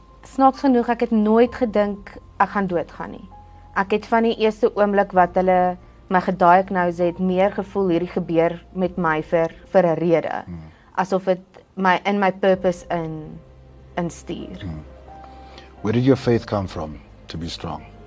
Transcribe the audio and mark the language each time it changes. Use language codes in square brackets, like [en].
[af] Snaaks genoeg, ek het nooit gedink ek gaan doodgaan nie. Ek het van die eerste oomblik wat hulle my gediagnose het, meer gevoel hierdie gebeur met my vir 'n rede. Asof dit my in my purpose in stuur. [en] Where did your faith come from to be strong?